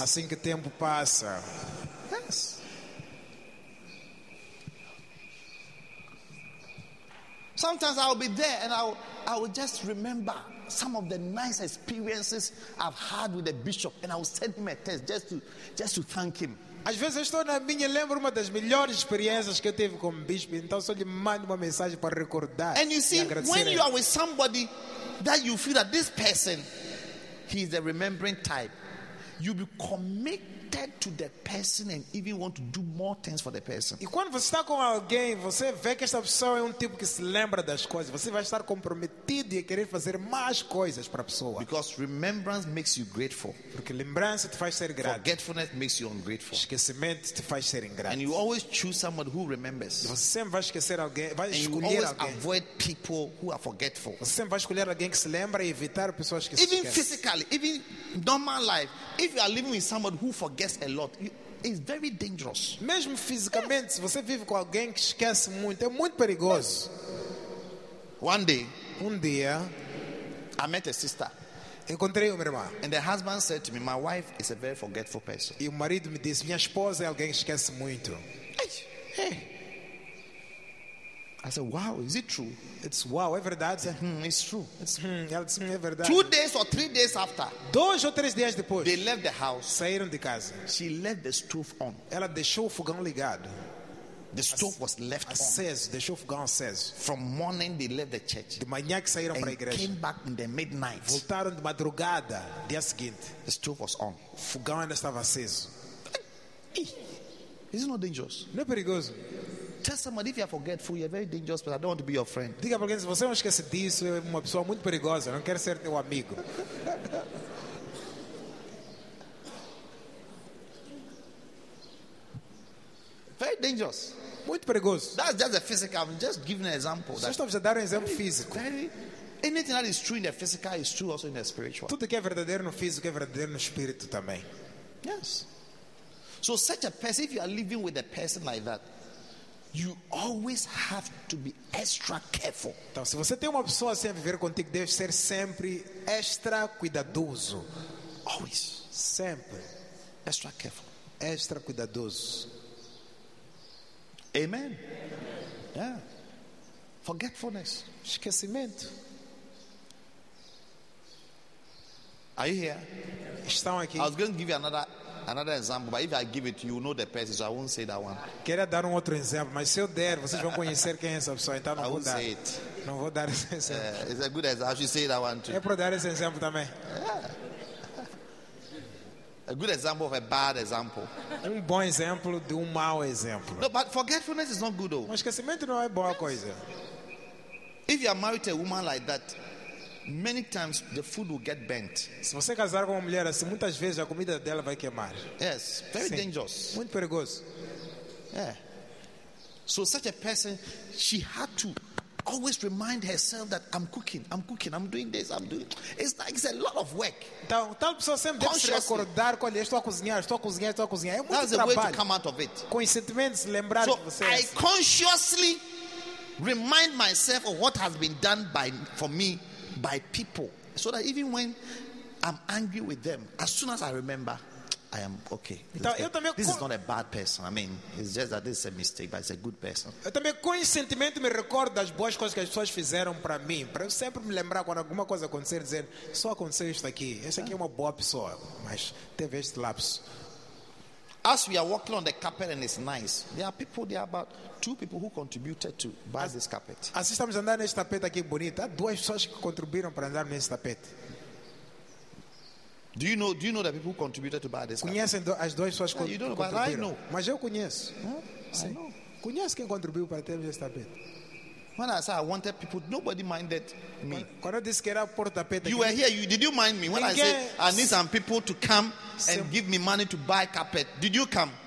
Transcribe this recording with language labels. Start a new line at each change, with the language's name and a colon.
Portuguese: Assim que tempo passa.
English: Yes. Sometimes I'll be there and I will just remember some of the nice experiences I've had with the bishop, and I will send him a text just to thank him.
Portuguese: Às vezes eu estou na minha, lembro uma das melhores experiências que eu tive com o bispo, então só lhe mando uma mensagem para recordar.
English: And you see, when you are with somebody that you feel that this person, he is a remembering type, you be committed to the person and even want to do more things for the person.
Portuguese: E quando você está com alguém, você vê que esta pessoa é tipo que se lembra das coisas. Você vai estar comprometido e querer fazer mais coisas para a pessoa.
English: Because remembrance makes you grateful.
Portuguese: Porque lembrança te faz ser grato.
English: Forgetfulness makes you ungrateful.
Portuguese: Esquecimento te faz ser ingrato.
English: And you always choose someone who remembers.
Portuguese: E você sempre vai esquecer alguém, vai
English: and
Portuguese: escolher
English: you always
Portuguese: alguém.
English: Avoid people who are forgetful.
Portuguese: Você sempre vai escolher alguém que se lembra e evitar pessoas que se esquecem.
English: Even physically, even normal life, if you are living with someone who forgets a lot, it's very dangerous.
Portuguese: Mesmo fisicamente, se você vive com alguém que esquece muito, é muito perigoso.
English: One day, I met a sister.
Portuguese: Encontrei uma irmã.
English: And the husband said to me, "My wife is a very forgetful person."
Portuguese: E o marido me disse, "Minha esposa é alguém que esquece muito."
English: I said, "Wow, is it true?" It's
Portuguese: wow, é verdade.
English: Said, it's true. It's
Portuguese: é verdade.
English: 2 days or 3 days after. 2 or 3 days
Portuguese: depois.
English: They left the house.
Portuguese: Saíram de casa.
English: She left the stove on.
Portuguese: Ela deixou o fogão ligado.
English: The stove was left on. Says,
Portuguese: deixou o fogão aceso.
English: From morning they left the church.
Portuguese: De manhã que saíram para a igreja.
English: Came back in the midnight.
Portuguese: Voltaram de madrugada, dia seguinte.
English: The stove was on.
Portuguese: O fogão ainda estava aceso.
English: Is it not dangerous?
Portuguese: Não é perigoso?
English: Tell somebody if you are forgetful, you are very dangerous, but I don't want to be your friend.
Portuguese: Diga para alguém, se você não esquece disso, é uma pessoa muito perigosa, não quero ser teu amigo.
English: Very dangerous.
Portuguese: Muito perigoso.
English: That's just a physical, I'm just giving an example.
Portuguese: Só estou a dar um exemplo físico.
English: Anything that is true in the physical is true also in the spiritual.
Portuguese: Tudo que é verdadeiro no físico é verdadeiro no espírito também.
English: Yes. So such a person, if you are living with a person like that, you always have to be extra careful.
Portuguese: Então, se você tem uma pessoa assim a viver contigo, deve ser sempre extra cuidadoso.
English: Always.
Portuguese: Sempre.
English: Extra careful.
Portuguese: Extra cuidadoso.
English: Amen. Yeah. Forgetfulness.
Portuguese: Esquecimento.
English: Are you here?
Portuguese: Estão aqui.
English: I was going to give you another example, but if I give it, you know the person, so I won't say that one.
Portuguese: Queria dar outro exemplo, mas se eu der, vocês vão conhecer quem é essa pessoa, então não vou dar.
English: I won't say it.
Portuguese: Não vou dar esse exemplo.
English: It's a good example. I should say that one too.
Portuguese: É para dar esse exemplo também.
English: A good example of a bad example.
Portuguese: Um bom exemplo de mau exemplo.
English: No, but forgetfulness is not good, though.
Portuguese: Mas esquecimento não é boa coisa.
English: If you are married to a woman like that, many times the food will get burnt.
Portuguese: Se você casar com uma mulher assim, muitas vezes a comida dela vai queimar.
English: Yes, very
Portuguese: Sim.
English: dangerous.
Portuguese: Muito perigoso.
English: Yeah. So such a person, she had to always remind herself that I'm cooking, I'm doing this. It's a lot of work.
Portuguese: Então, tal pessoa sempre deve se recordar com ele, estou a cozinhar. É muito trabalho.
English: That's the way to come out of it.
Portuguese: Conscientemente se lembrar de você.
English: So I consciously remind myself of what has been done for me by people, so that even when I'm angry with them, as soon as I remember, I am okay. This is not a bad person. I mean, it's just that this is a mistake, but it's a good person.
Portuguese: Eu também conscientemente me recordo das boas coisas que as pessoas fizeram para mim, para eu sempre me lembrar quando alguma coisa acontecer, dizendo, só aconteceu isto aqui. Esse aqui é uma boa pessoa, mas teve este lapso.
English: As we are walking on the carpet and it's nice, there are people, there are about two people who contributed to buy this carpet.
Portuguese: As estamos andando neste tapete aqui bonito, há duas pessoas que contribuíram para andar neste tapete.
English: Do you know the people who contributed to buy this carpet?
Portuguese: Conhecem as duas pessoas que contribuíram?
English: But I know.
Portuguese: Mas eu conheço. Sim. Conheço quem contribuiu para termos este tapete.
English: When I said I wanted people, nobody minded me.
Portuguese: Quando disse que era por tapete,
English: you were here. Did you mind me? When I said I need some people to come and give me money to buy carpet, did you come?